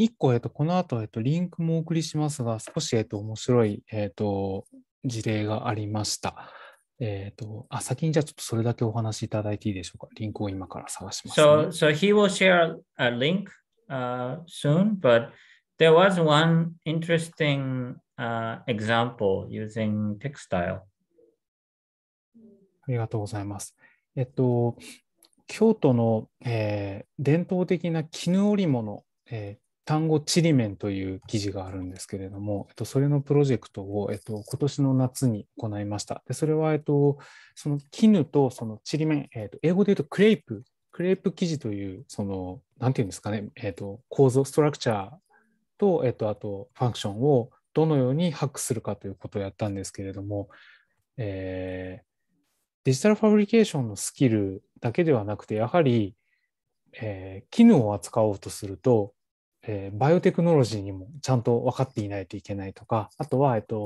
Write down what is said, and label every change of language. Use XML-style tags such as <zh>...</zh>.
<ja>1個、この後、リンクもお送りしますが、少し、面白い、事例がありました。先にじゃあちょっとそれだけお話しいただいていいでしょうか。リンクを今から探します、ね。</ja> <en>So he will share a link soon, but there was one interesting example using textile.</en> <ja>ありがとうございます。京都の、伝統的な絹織物、丹後ちりめんという記事があるんですけれども、それのプロジェクトを、今年の夏に行いました。でそれは、その絹とそのちりめん、英語で言うとクレープ生地という、その、なんていうんですかね、構造、ストラクチャーと、あと、ファンクションをどのようにハックするかということをやったんですけれども、デジタルファブリケーションのスキルだけではなくて、やはり、絹を扱おうとすると、バイオテクノロジーにもちゃんと分かっていないといけないとか、あとは、</ja>